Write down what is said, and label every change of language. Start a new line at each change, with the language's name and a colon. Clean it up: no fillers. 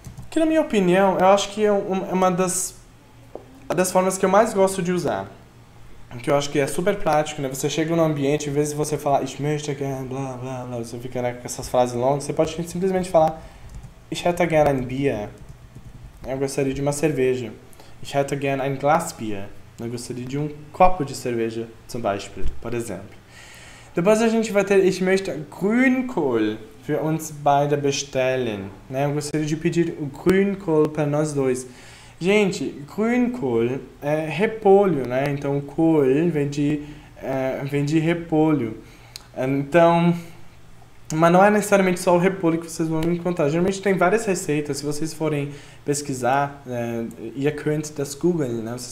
Portuguese: Que na minha opinião, eu acho que é uma das formas que eu mais gosto de usar. Que eu acho que é super prático, né? Você chega no ambiente, em vez de você falar ich möchte gern, blá blá blá, você fica, né, com essas frases longas, você pode simplesmente falar ich hätte gern ein Bier. Eu gostaria de uma cerveja. Ich hätte gern ein Glas Bier. Eu gostaria de um copo de cerveja, zum Beispiel, por exemplo.
German: Depois a gente vai ter ich möchte Grünkohl für uns beide bestellen.
Portuguese: Né? Eu gostaria de pedir o Grünkohl para nós dois. Gente, Grünkohl é repolho, né? Então, Kohl vem de repolho. Então, mas não é necessariamente só o repolho que vocês vão encontrar. Geralmente tem várias receitas. Se vocês forem pesquisar, ihr könnt das googeln, né?